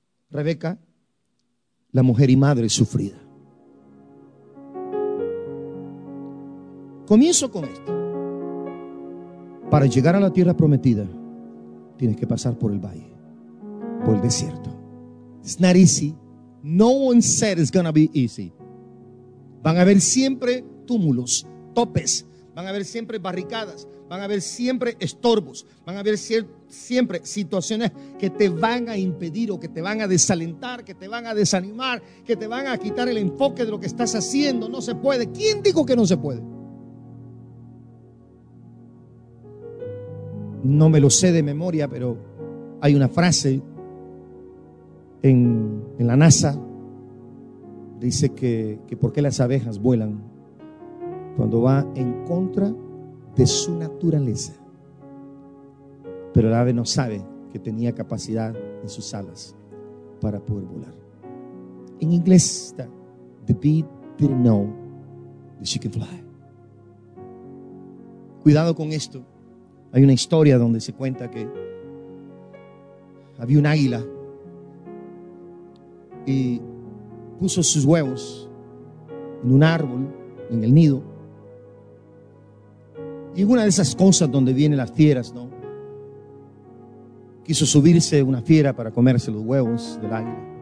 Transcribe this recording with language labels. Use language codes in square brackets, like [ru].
[es] Rebeca, la mujer y madre sufrida. Comienzo con esto. Para llegar a la tierra prometida, tienes que pasar por el valle, por el desierto. [en] It's not easy. No one said it's gonna be easy. [es] Van a haber siempre túmulos, topes. Van a haber siempre barricadas. Van a haber siempre estorbos. Van a haber siempre situaciones que te van a impedir o que te van a desalentar, que te van a desanimar, que te van a quitar el enfoque de lo que estás haciendo. No se puede. ¿Quién dijo que no se puede? No me lo sé de memoria, pero hay una frase en la NASA. Dice que ¿por qué las abejas vuelan? Cuando va en contra de su naturaleza. Pero el ave no sabe que tenía capacidad en sus alas para poder volar. En inglés está: [en] the bee didn't know that she could fly. [es] Cuidado con esto. Hay una historia donde se cuenta que había un águila y puso sus huevos en un árbol, en el nido. Y una de esas cosas donde vienen las fieras, ¿no? Quiso subirse una fiera para comerse los huevos del águila.